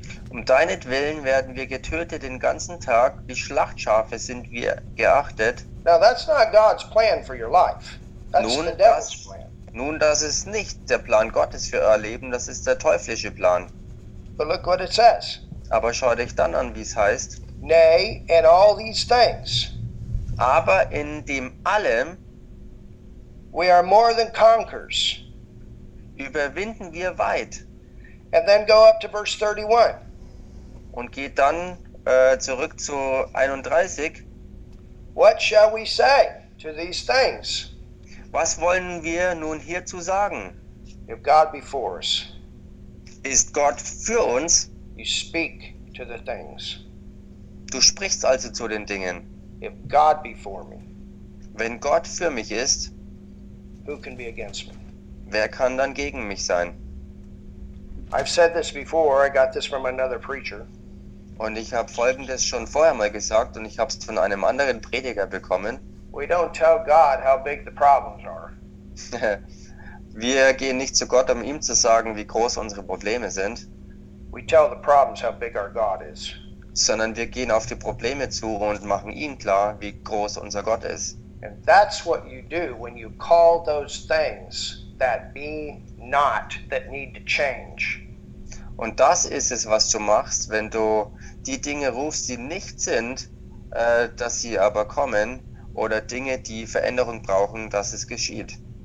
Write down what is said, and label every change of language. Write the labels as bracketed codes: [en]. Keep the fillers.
[de] Um deinetwillen werden wir getötet den ganzen Tag, wie Schlachtschafe sind wir geachtet. [en] Now that's not God's plan for your life. That's Nun, the devil's plan. [de] Nun, das ist nicht der Plan Gottes für euer Leben, das ist der teuflische Plan. [en] But look what it says. [de] Aber schau dich dann an, wie es heißt. [en] Nay, in all these things. [de] Aber in dem Allem. [en] We are more than conquerors. [de] Überwinden wir weit. [en] And then go up to verse 31. [de] Und geht dann äh, zurück zu 31. [en] What shall we say to these things? [de] Was wollen wir nun hierzu sagen? [en] If God be for us, [de] ist Gott für uns? [en] You speak to the things. [de] Du sprichst also zu den Dingen. [en] If God be for me, [de] wenn Gott für mich ist, [en] who can be against me? [de] wer kann dann gegen mich sein? [en] I've said this before, I got this from another preacher. [de] Und ich habe folgendes schon vorher mal gesagt und ich habe es von einem anderen Prediger bekommen. [en] We don't tell God how big the problems are. [de] wir gehen nicht zu Gott, um ihm zu sagen, wie groß unsere Probleme sind. [en] We tell the problems how big our God is. [de] Sondern wir gehen auf die Probleme zu und machen ihnen klar, wie groß unser Gott ist. [en] And that's what you do when you call those things that be not that need to change. [de] Und das ist es, was du machst, wenn du die Dinge rufst, die nicht sind, äh, dass sie aber kommen, oder Dinge, die Veränderung brauchen, dass es geschieht.